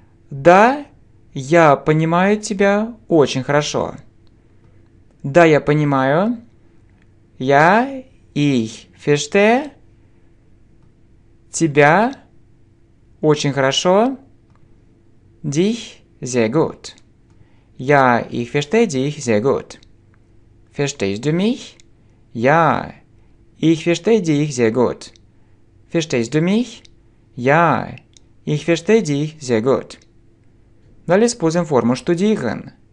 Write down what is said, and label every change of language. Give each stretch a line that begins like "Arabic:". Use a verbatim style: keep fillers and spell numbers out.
Russian: Да, я понимаю тебя очень хорошо. Да, я понимаю. Я,
German: ich verstehe
Russian: тебя очень хорошо.
German: Dich sehr gut. Ja, ich verstehe dich sehr gut. Verstehst du mich? Ja, ich verstehe dich sehr gut. Verstehst du mich? Ja, ich verstehe dich sehr gut.
Russian: Далее используем форму
German: studieren.